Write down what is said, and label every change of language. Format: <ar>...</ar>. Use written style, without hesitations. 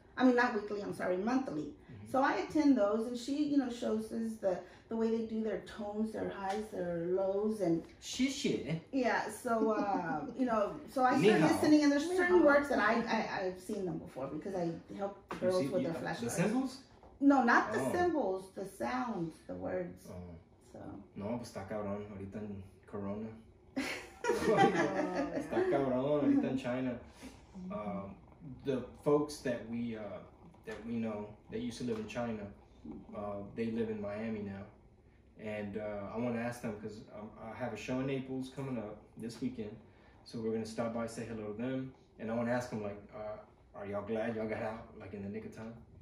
<en>I mean, not weekly, I'm sorry, monthly. Mm-hmm. So I attend those, and she, you know, shows us the way they do their tones, their highs, their lows, and... Shishi. Yeah, so, you know, so I start listening, and there's certain words that I've seen them before, because I help girls see, with their flashcards. The symbols? No, not the symbols, the sounds, the words.</en> <es>No, pues está cabrón, ahorita en Corona. Está cabrón, ahorita en China.</es> <en>The folks that we know, that used to live in China, they live in Miami now. And I want to ask them, because I have a show in Naples coming up this weekend. So we're going to stop by, say hello to them. And I want to ask them, like, are y'all glad y'all got out, like, in the nick of time?</en>